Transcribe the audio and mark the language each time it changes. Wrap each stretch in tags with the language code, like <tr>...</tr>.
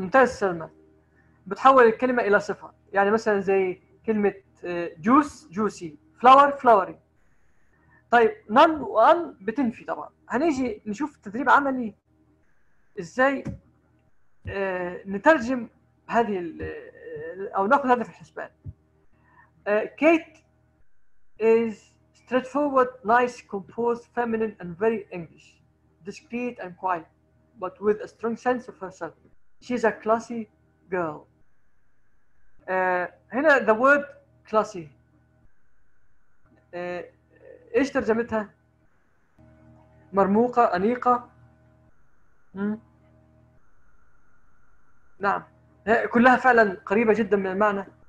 <ar>ممتاز سلمى, بتحول الكلمة إلى صفة. يعني مثلا زي كلمة جوس جوسي, فلاور فلاوري. طيب نان وان بتنفي. طبعا هنيجي نشوف تدريب عملي إزاي نترجم هذه أو ناخذ هذا في الحسبان.</ar> <en>Kate is straightforward, nice, composed, feminine and very English, discreet and quiet but with a strong sense of herself. She's a classy girl.</en> <ar>هنا</ar> <en>the word classy.</en> <ar>إيش ترجمتها؟ مرموقة, أنيقة. نعم, كلها فعلا قريبة جدا من المعنى.</ar>